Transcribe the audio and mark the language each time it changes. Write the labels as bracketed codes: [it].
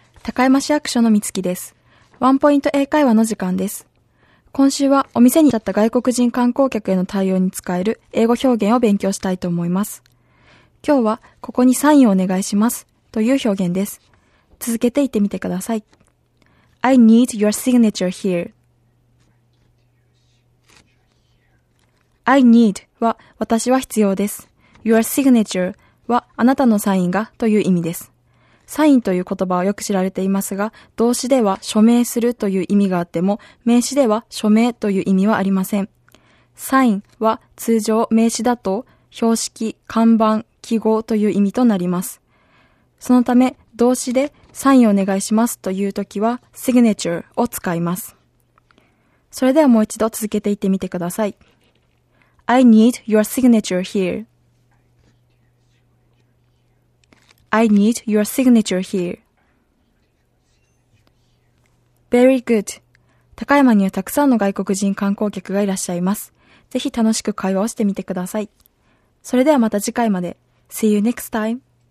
[ja] 高山市役所の三月です。ワンポイント英会話の時間です。今週はお店に立った外国人観光客への対応に使える英語表現を勉強したいと思います。今日はここにサインをお願いしますという表現です。続けて言ってみてください。 [en] I need your signature here. I need [ja] は私は必要です。 [en] Your signature [ja] はあなたのサインがという意味です。サインという言葉はよく知られていますが、動詞では署名するという意味があっても、名詞では署名という意味はありません。サインは通常名詞だと、標識、看板、記号という意味となります。そのため、動詞でサインをお願いしますというときは、signature を使います。それではもう一度続けて言ってみてください。 [en] I need your signature here. I need your signature here. Very good. [ja] 高山にはたくさんの外国人観光客がいらっしゃいます。ぜひ楽しく会話をしてみてください。それではまた次回まで。 [en] See you next time.